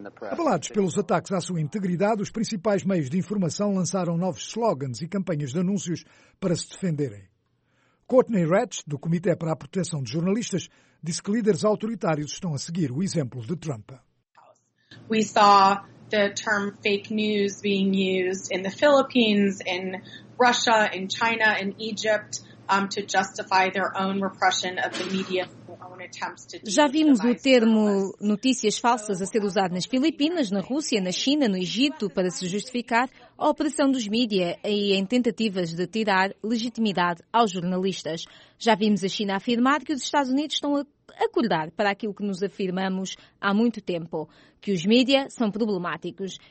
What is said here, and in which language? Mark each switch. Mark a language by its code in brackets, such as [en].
[pt] Abalados pelos ataques à sua integridade, os principais meios de informação lançaram novos slogans e campanhas de anúncios para se defenderem. Courtney Ratch, do Comitê para a Proteção de Jornalistas, disse que líderes autoritários estão a seguir o exemplo de Trump. [en] We saw the term fake news being used in the Philippines, in Russia, in China, in Egypt, to justify their own repression of the media. [pt] Já vimos o termo notícias falsas a ser usado nas Filipinas, na Rússia, na China, no Egito, para se justificar a opressão dos mídias e em tentativas de tirar legitimidade aos jornalistas. Já vimos a China afirmar que os Estados Unidos estão a acordar para aquilo que nos afirmamos há muito tempo, que os mídias são problemáticos.